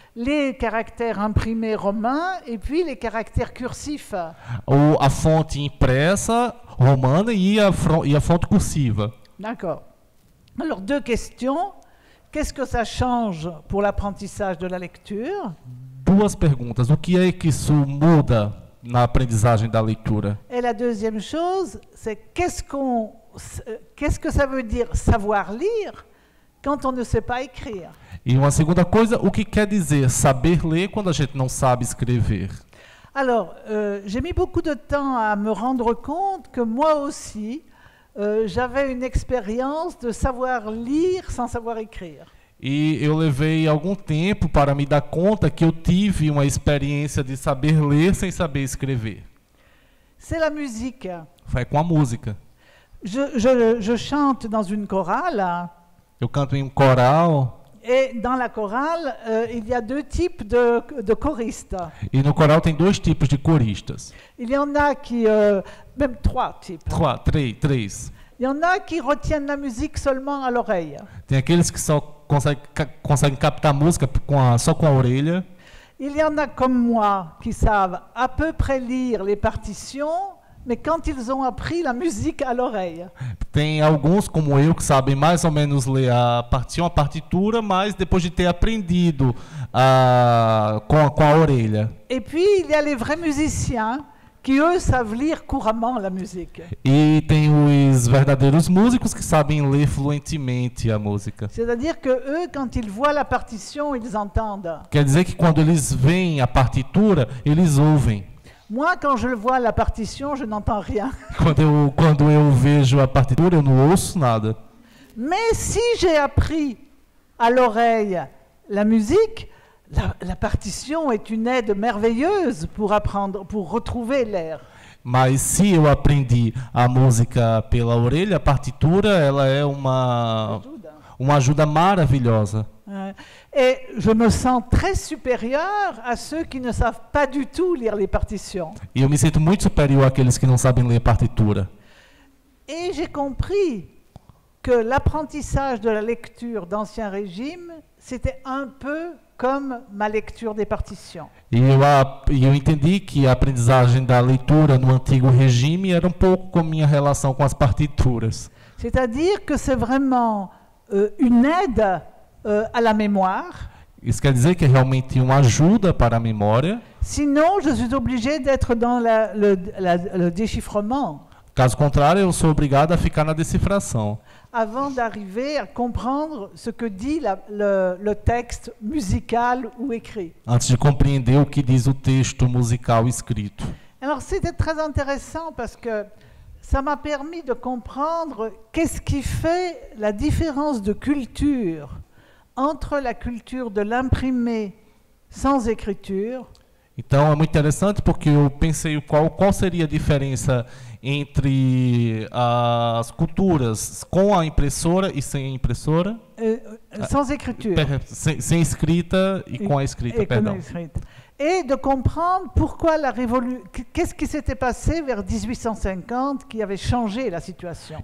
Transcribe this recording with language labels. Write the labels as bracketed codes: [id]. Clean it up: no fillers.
[fr] Les caractères imprimés romains et puis les caractères cursifs. [pt] Ou a fonte impressa romana e a fonte cursiva. [fr] D'accord. Alors, deux questions. Qu'est-ce que ça change pour l'apprentissage de la lecture? [pt] Duas perguntas. O que é que isso muda na aprendizagem da leitura? E a [fr] deuxième chose, c'est qu'est-ce que ça veut dire savoir lire quand on ne sait pas écrire? [pt] E uma segunda coisa, o que quer dizer saber ler quando a gente não sabe escrever? [fr] Alors, j'ai mis beaucoup de temps à me rendre compte que moi aussi, j'avais une expérience de savoir lire sans savoir écrire. [pt] E eu levei algum tempo para me dar conta que eu tive uma experiência de saber ler sem saber escrever. [fr] C'est la musique. [pt] Foi com a música. [fr] Je chante dans une chorale. [pt] Eu canto em um coral. [fr] Et dans la chorale, il y a deux types de choristes. [pt] E no coral tem dois tipos de coristas. [fr] Il y en a qui même trois types. [pt] Três. [fr] Il y en a qui retiennent la musique seulement à l'oreille. [pt] Tem aqueles que só conseguem captar a música só com a orelha. [fr] Il y en a comme moi qui savent à peu près lire les partitions, mais quand ils ont appris la musique à l'oreille. [pt] Tem alguns como eu que sabem mais ou menos ler a partitura, mas depois de ter aprendido com a orelha. [fr] Et puis il y a les vrais musiciens qui eux savent lire couramment la musique. [pt] E tem os verdadeiros músicos que sabem ler fluentemente a música. [fr] C'est-à-dire que eux quand ils voient la partition, ils entendent. [pt] Quer dizer que quando eles veem a partitura, eles ouvem. [fr] Moi quand je vois la partition, je n'entends rien. [pt] Quando eu vejo a partitura, eu não ouço nada. [fr] Mais si j'ai appris à l'oreille la musique, La partition est une aide merveilleuse pour apprendre, pour retrouver l'air. [pt] Mas se eu aprendi a música pela orelha, a partitura, ela é uma ajuda maravilhosa. [fr] Et je me sens très supérieur à ceux qui ne savent pas du tout lire les partitions. [pt] E eu me sinto muito superior àqueles que não sabem ler partitura. [fr] Et j'ai compris que l'apprentissage de la lecture d'Ancien Régime, c'était un peu comme ma lecture des partitions. [pt] Eu entendi que a aprendizagem da leitura no antigo regime era um pouco como minha relação com as partituras. [fr] C'est-à-dire que c'est vraiment une aide à la mémoire. [pt] Isso quer dizer que realmente uma ajuda para a memória. Senão, eu sou obrigada a estar no déchiffrement. Caso contrário, eu sou obrigada a ficar na decifração. [fr] Avant d'arriver à comprendre ce que dit le texte musical ou écrit. [pt] Antes de compreender o que diz o texto musical escrito. [fr] Alors, c'était très intéressant parce que ça m'a permis de comprendre qu'est-ce qui fait la différence de culture entre la culture de l'imprimé sans écriture. [pt] Então, é muito interessante porque eu pensei qual seria a diferença entre as culturas com a impressora e sem a impressora. [fr] Sans écriture. [pt] Sem escrita e com a escrita, [fr] et [pt] perdão. [fr] Et de comprendre pourquoi la révolution, qu'est-ce qui s'était passé vers 1850 qui avait changé la situation.